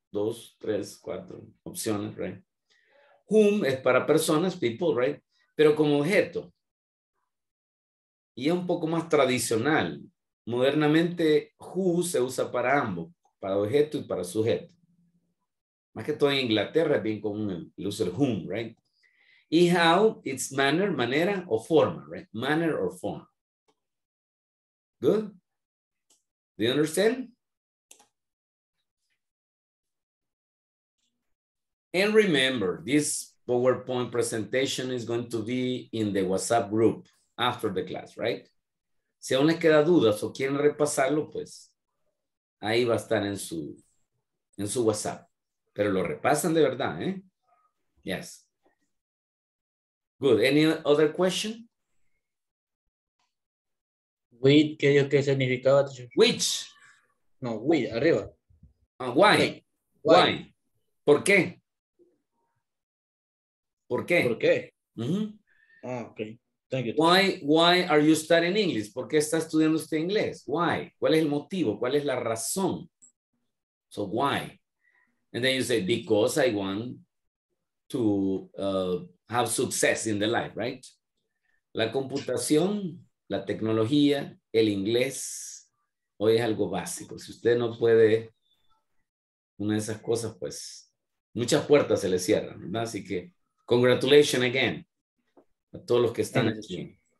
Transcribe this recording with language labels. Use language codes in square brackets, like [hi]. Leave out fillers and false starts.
[es] Dos, tres, cuatro opciones, right? Whom es para personas, people, right? Pero como objeto. Y es un poco más tradicional. Modernamente, who se usa para ambos, para objeto y para sujeto. Más que todo en Inglaterra es bien común el uso del whom, right? [en] Y how, it's manner, [es] manera o forma, [en] right? Manner or form. Good? Do you understand? And remember, this PowerPoint presentation is going to be in the WhatsApp group after the class, right? [es] Si aún les queda dudas o quieren repasarlo, pues ahí va a estar en su WhatsApp. Pero lo repasan de verdad, ¿eh? [en] Yes. Good. Any other question? [es] With, ¿qué significaba? [en] Which? [es] No, with, arriba. [en] Why? Why? Why? [es] ¿Por qué? ¿Por qué? ¿Por qué? Uh-huh. [en] Thank you. Why are you studying English? [es] ¿Por qué está estudiando usted inglés? [en] Why? [es] ¿Cuál es el motivo? ¿Cuál es la razón? [en] So why? And then you say, because I want to have success in the life, right? [es] La computación, la tecnología, el inglés, hoy es algo básico. Si usted no puede una de esas cosas, pues muchas puertas se le cierran, ¿verdad? Así que, congratulations again a todos los que están aquí.